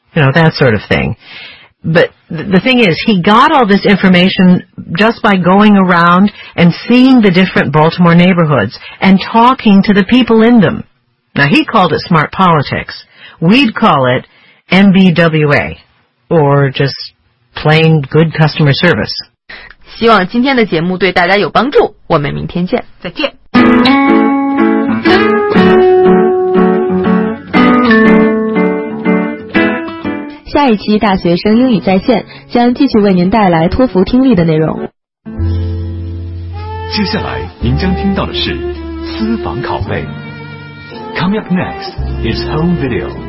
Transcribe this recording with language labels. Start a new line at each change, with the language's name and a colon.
English: You know, that sort of thing. But the thing is, he got all this information just by going around and seeing the different Baltimore neighborhoods and talking to the people in them. Now, he called it smart politics. We'd call it MBWA, or just plain good customer service.
Chinese: 希望今天的节目对大家有帮助，我们明天见，再见。下一期大学生英语在线将继续为您带来托福听力的内容。接下来您将听到的是私房拷贝。
English: Coming up next is home video.